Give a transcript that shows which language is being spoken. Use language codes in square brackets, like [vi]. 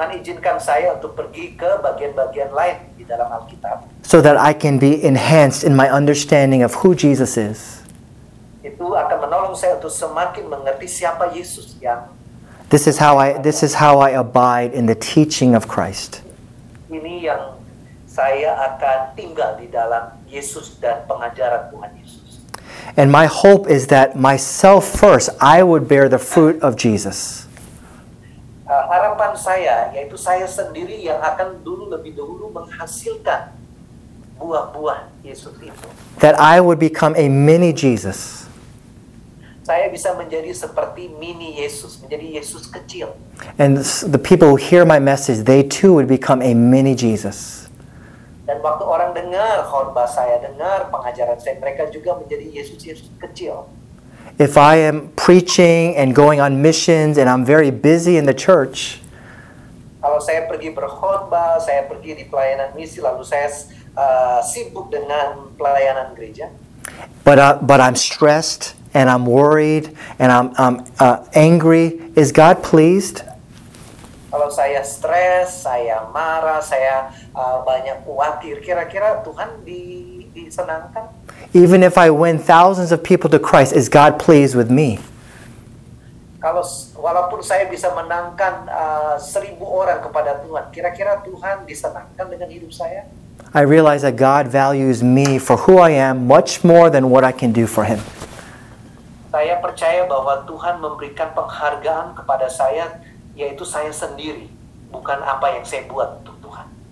[id] Tuhan izinkan saya untuk pergi ke bagian-bagian lain di dalam Alkitab. [en] So that I can be enhanced in my understanding of who Jesus is. [id] Itu akan menolong saya untuk semakin mengerti siapa Yesus yang. [en] This is how I abide in the teaching of Christ. [id] Ini yang saya akan tinggal di dalam Yesus dan pengajaran Tuhan Yesus. [en] And my hope is that myself first, I would bear the fruit of Jesus. [id] Harapan saya, yaitu saya sendiri yang akan dulu lebih dahulu menghasilkan buah-buah Yesus itu. [en] That I would become a mini Jesus. [id] Saya bisa menjadi seperti mini Yesus, menjadi Yesus kecil. [en] And the people who hear my message, they too would become a mini Jesus. [id] Dan waktu orang dengar khotbah saya, dengar pengajaran saya, mereka juga menjadi Yesus-Yesus kecil. [en] If I am preaching and going on missions and I'm very busy in the church, [id] kalau saya pergi berkhotbah, saya pergi di pelayanan misi, lalu saya sibuk dengan pelayanan gereja. [en] But I'm stressed and I'm worried and I'm angry. Is God pleased? [id] Kalau saya stres, saya marah, saya banyak khawatir, kira-kira Tuhan disenangkan? [en] Even if I win thousands of people to Christ, is God pleased with me? [id] Kalau walaupun saya bisa menangkan 1,000 orang kepada Tuhan, kira-kira Tuhan disenangkan dengan hidup saya? [en] I realize that God values me for who I am much more than what I can do for Him. [id] Saya percaya bahwa Tuhan memberikan penghargaan kepada saya, yaitu saya sendiri, bukan apa yang saya buat untuk Tuhan.